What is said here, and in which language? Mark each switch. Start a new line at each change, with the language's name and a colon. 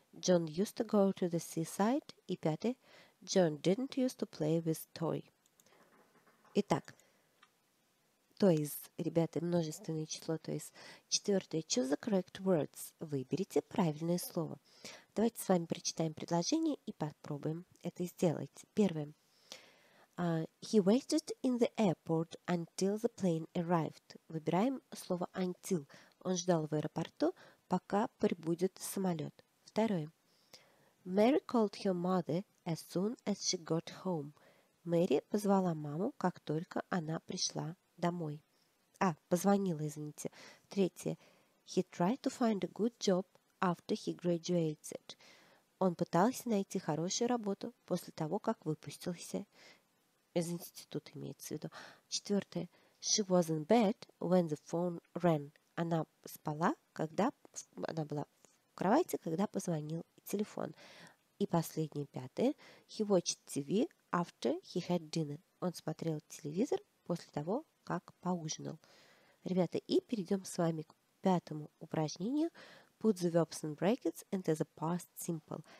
English: John used to go to the seaside.
Russian: И пятое.
English: John didn't used to play with toy.
Russian: Итак, toys, ребята, множественное число toys. Четвертое.
English: Choose the correct words.
Russian: Выберите правильное слово. Давайте с вами прочитаем предложение и попробуем это сделать. Первое.
English: He waited in the airport until the plane arrived.
Russian: Выбираем слово until. Он ждал в аэропорту, пока прибудет самолет. Второе.
English: Mary called her mother as soon as she got home.
Russian: Мэри позвала маму, как только она пришла домой. Позвонила, извините. Третье.
English: He tried to find a good job after he graduated.
Russian: Он пытался найти хорошую работу после того, как выпустился из института, имеется в виду. Четвертое.
English: She was in bed when the phone rang.
Russian: Она спала, когда она была в кровати, когда позвонил телефон. И последнее, пятое.
English: He watched TV after he had dinner.
Russian: Он смотрел телевизор после того, как поужинал. Ребята, и перейдем с вами к пятому упражнению.
English: Put the verbs in brackets into the past simple.